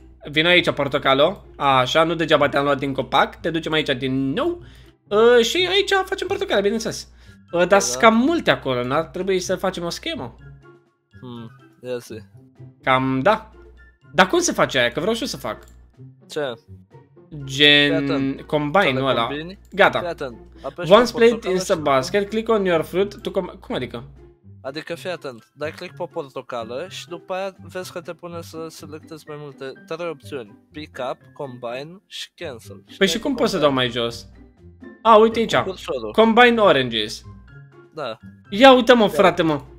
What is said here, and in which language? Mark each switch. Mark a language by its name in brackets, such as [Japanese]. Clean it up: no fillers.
[Romanian] Vino aici portocalo, așa, nu degeaba te-am luat din copac, te ducem aici din nou. Și aici facem portocale, bineînțeles. Dar sunt cam multe acolo, n-ar trebui să facem o schemă. Iasă. Cam, da. Dar cum se face aia, că vreau și eu să fac. Ce? Gen... Gata. Combine, ăla. Gata. [English] Once played in the basket, click on your fruit to combine. [Romanian] Cum adică? Adică fii atent, dai click pe portocală și după aia vezi că te pune să selectezi mai multe, trei opțiuni. Pick up, combine și cancel. Păi și cum poți să dau mai jos? A, uite aici. [English] Combine oranges. [Romanian] Da. Ia uite mă, frate mă.